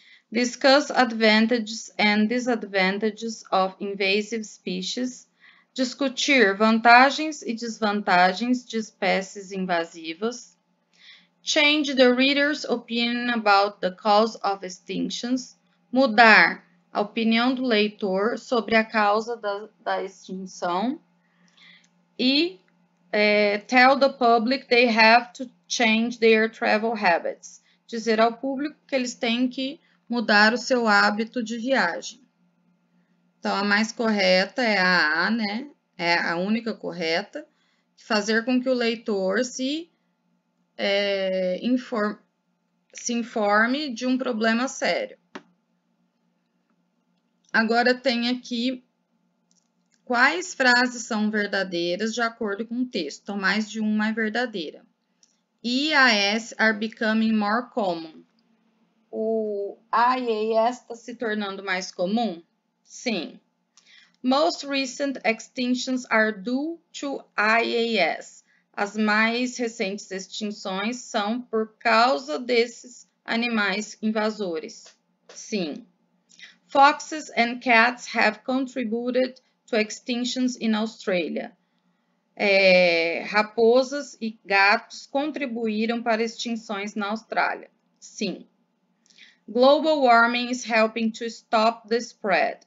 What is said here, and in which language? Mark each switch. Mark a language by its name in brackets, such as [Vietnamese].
[English] Discuss advantages and disadvantages of invasive species. [Portuguese] Discutir vantagens e desvantagens de espécies invasivas. [English] Change the reader's opinion about the cause of extinctions. [Portuguese] Mudar a opinião do leitor sobre a causa da extinção. [English] E tell the public they have to change their travel habits. [Portuguese] Dizer ao público que eles têm que mudar o seu hábito de viagem. Então, a mais correta é a A, né? É a única correta. Fazer com que o leitor se informe de um problema sério. Agora, tem aqui quais frases são verdadeiras de acordo com o texto. Então, mais de uma é verdadeira. [English] EIS are becoming more common. [Portuguese] O IAS está se tornando mais comum? Sim. [English] Most recent extinctions are due to IAS. [Portuguese] As mais recentes extinções são por causa desses animais invasores. Sim. [English] Foxes and cats have contributed to extinctions in Australia. [Portuguese] Raposas e gatos contribuíram para extinções na Austrália. Sim. [English] Global warming is helping to stop the spread.